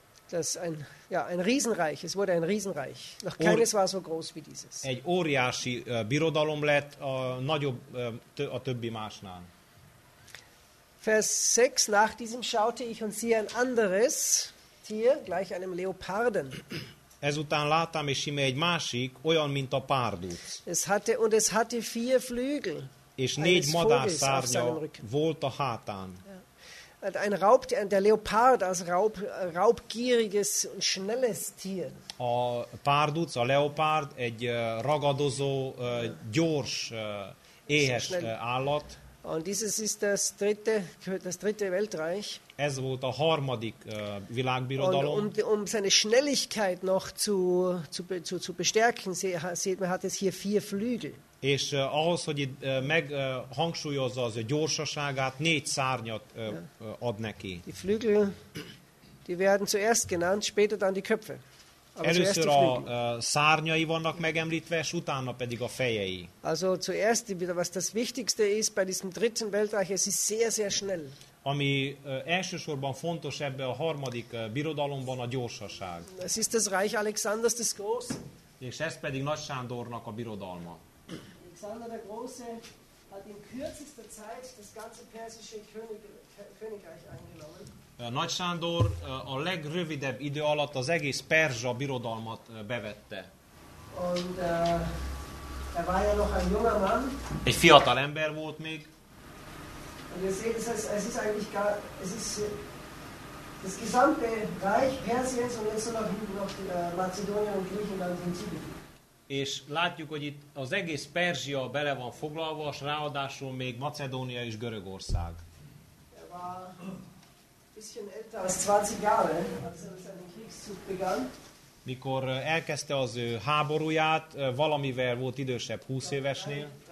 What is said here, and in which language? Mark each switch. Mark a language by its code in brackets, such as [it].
[de] Das ein Riesenreich, es wurde ein Riesenreich. Noch keines war so groß wie dieses. [hu] Egy óriási birodalom lett, nagyobb a többi másnál. [de] Vers 6, nach diesem schaute ich und siehe ein anderes Tier, gleich einem Leoparden. [hu] Ezután láttam, és íme egy másik, olyan, mint a párduc. [de] Es hatte vier Flügel. [hu] És négy madárszárnya volt a hátán. [de] Ja. Ein Raubtier, der Leopard, als raubgieriges und schnelles Tier. [hu] A párduc, a leopard, egy ragadozó, gyors, éhes állat. [de] Und dieses ist das dritte Weltreich. [hu] Ez volt a harmadik világbirodalom. [de] Und um seine Schnelligkeit noch zu bestärken, sieht man, hat es hier vier Flügel. [hu] És ahhoz, hogy itt meghangsúlyozza az a gyorsaságát, négy szárnyat ad neki. [de] Die Flügel, die werden zuerst genannt, später dann die Köpfe. [hu] Először a szárnyai vannak megemlítve, és utána pedig a fejei. [de] Also zuerst wieder was das wichtigste ist bei diesem dritten Weltreich, es ist sehr sehr schnell. [hu] Ami elsősorban fontos ebbe a harmadik birodalomban a gyorsaság. [de] Es ist das Reich Alexanders des Großen. [hu] És ez pedig Nagy Sándornak a birodalma. [de] Alexander der Große hat in kürzester Zeit das ganze persische Königreich eingenommen. [hu] Nagy Sándor a legrövidebb idő alatt az egész perzsa birodalmat bevette. [de] Und, er war ja noch ein junger Mann. [hu] Egy fiatal ember volt még. [de] Und ihr seht, es ist eigentlich gar, es ist das gesamte Reich Persiens und jetzt noch hinten noch Mazedonien und Griechenland hinzugefügt. [hu] És látjuk, hogy itt az egész Perzsia bele van foglalva, és ráadásul még Macedónia és Görögország. [de] Er war bisschen älter als 20 Jahre, als er seinen Kriegszug begann. [hu] Mikor elkezdte az ő háborúját, valamivel volt idősebb 20 évesnél.